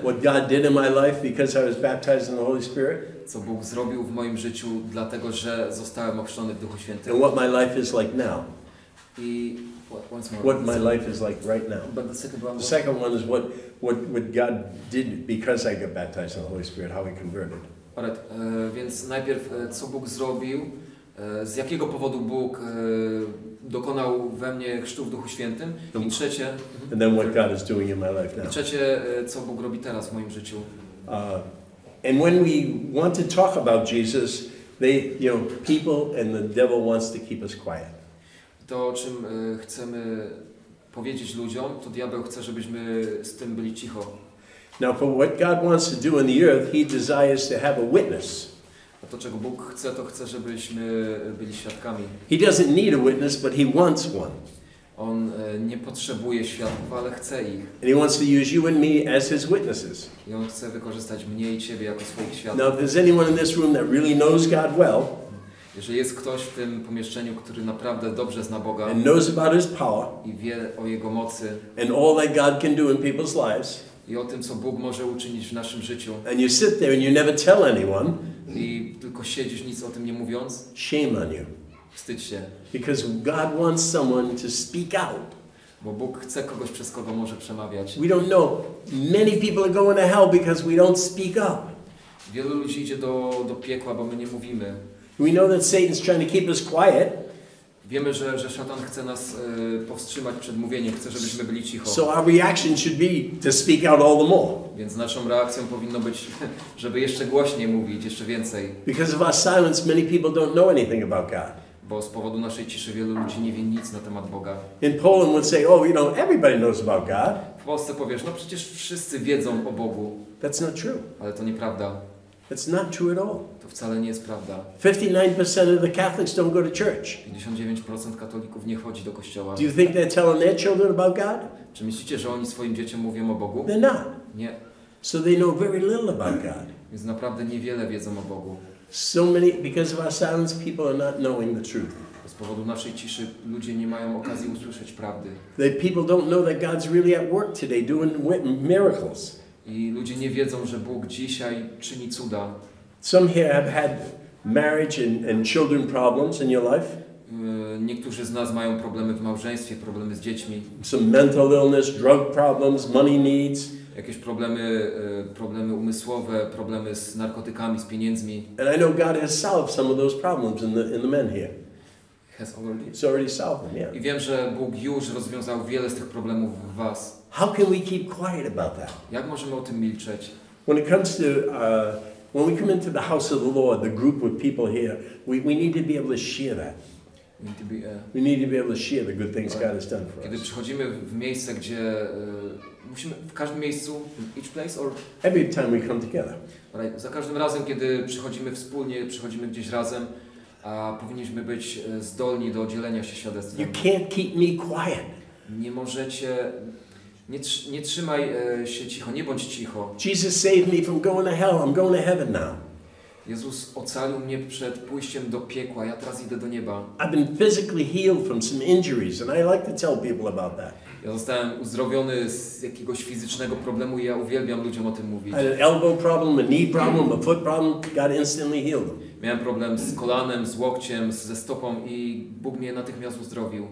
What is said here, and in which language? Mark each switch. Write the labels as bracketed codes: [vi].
[en] What God did in my life because I was baptized in the Holy Spirit. [pl] Co Bóg zrobił w moim życiu, dlatego że zostałem ochrzczony w Duchu Świętym. [en] And what my life is like now. I once more. What my life is like right now. But the second one. The second one is what God did because I got baptized in the Holy Spirit, how He converted. [pl] Alright, więc najpierw co Bóg zrobił, z jakiego powodu Bóg dokonał we mnie chrztu w Duchu Świętym, i trzecie. [en] And then what God is doing in my life now. [pl] I trzecie, co Bóg robi teraz w moim życiu. [en] And when we want to talk about Jesus, people and the devil wants to keep us quiet. [pl] To o czym chcemy powiedzieć ludziom, to diabeł chce, żebyśmy z tym byli cicho. [en] Now for what God wants to do in the earth, He desires to have a witness. [pl] A to czego Bóg chce, to chce, żebyśmy byli świadkami. [en] He doesn't need a witness, but He wants one. [pl] On nie potrzebuje świadków, ale chce ich. [en] And He wants to use you and me as His witnesses. [pl] I On chce wykorzystać mnie i ciebie jako swoich świadków. [en] Now if there's anyone in this room that really knows God well, [pl] jeżeli jest ktoś w tym pomieszczeniu, który naprawdę dobrze zna Boga [en] and knows about His power, [pl] i wie o Jego mocy [en] and all that God can do in people's lives, [pl] i o tym, co Bóg może uczynić w naszym życiu, [en] and you sit there and you never tell anyone, [pl] i tylko siedzisz, nic o tym nie mówiąc, [en] shame on you. [pl] Wstydź się. [en] Because God wants someone to speak out. [pl] Bo Bóg chce kogoś, przez kogo może przemawiać. [en] We don't know. Many people are going to hell because we don't speak up. [pl] Wielu ludzi idzie do piekła, bo my nie mówimy. [en] We know that Satan's trying to keep us quiet. [pl] Wiemy, że szatan chce nas powstrzymać przed mówieniem, chce, żebyśmy byli cicho. [en] So our reaction should be to speak out all the more. [pl] Więc naszą reakcją powinno być, żeby jeszcze głośniej mówić, jeszcze więcej. [en] Because of our silence, many people don't know anything about God. [pl] Bo z powodu naszej ciszy wielu ludzi nie wie nic na temat Boga. [en] In Poland would say, oh, you know, everybody knows about God. [pl] W Polsce powiesz, no przecież wszyscy wiedzą o Bogu. [en] That's not true. [pl] Ale to nieprawda. [en] It's not true at all. [pl] To wcale nie jest prawda. [en] 59% of the Catholics don't go to church. [pl] 59% katolików nie chodzi do kościoła. [en] Do you think they're telling their children about God? [pl] Czy myślicie, że oni swoim dzieciom mówią o Bogu? [en] They're not. [pl] Nie. [en] So they know very little about God. [pl] Więc naprawdę niewiele wiedzą o Bogu. [en] So many, because of our silence, people are not knowing the truth. [pl] Z powodu naszej ciszy ludzie nie mają okazji usłyszeć prawdy. [en] The people don't know that God's really at work today doing miracles. [pl] I ludzie nie wiedzą, że Bóg dzisiaj czyni cuda. [en] Some here have had marriage and children problems in your life. [pl] Niektórzy z nas mają problemy w małżeństwie, problemy z dziećmi. [en] Some mental illness, drug problems, money needs. [pl] Jakieś problemy umysłowe, problemy z narkotykami, z pieniędzmi. [en] And I know God has solved some of those problems in the men here. has already, it's already solved them, yeah. [pl] I wiem, że Bóg już rozwiązał wiele z tych problemów w was. [en] How can we keep quiet about that? [pl] Jak możemy o tym milczeć? [en] When it comes to when we come into the house of the Lord, the group with people here, we need to be able to share that. We need to be able to share the good things God has done for us. [pl] Kiedy przychodzimy w miejsce, gdzie musimy w każdym miejscu, [en] each place or every time we come together. Right. [pl] Za każdym razem, kiedy przychodzimy wspólnie, przychodzimy gdzieś razem, a powinniśmy być zdolni do dzielenia się świadectwem. [en] You can't keep me quiet. [pl] Nie możecie, nie trzymaj się cicho, nie bądź cicho. [en] Jesus saved me from going to hell. I'm going to heaven now. [pl] Jezus ocalił mnie przed pójściem do piekła. Ja teraz idę do nieba. [en] I've been physically healed from some injuries, and I like to tell people about that. [pl] Ja zostałem uzdrowiony z jakiegoś fizycznego problemu i ja uwielbiam ludziom o tym mówić. [en] An elbow problem, a knee problem, a foot problem, God instantly healed them. [pl] Miałem problem z kolanem, z łokciem, ze stopą i Bóg mnie natychmiast uzdrowił.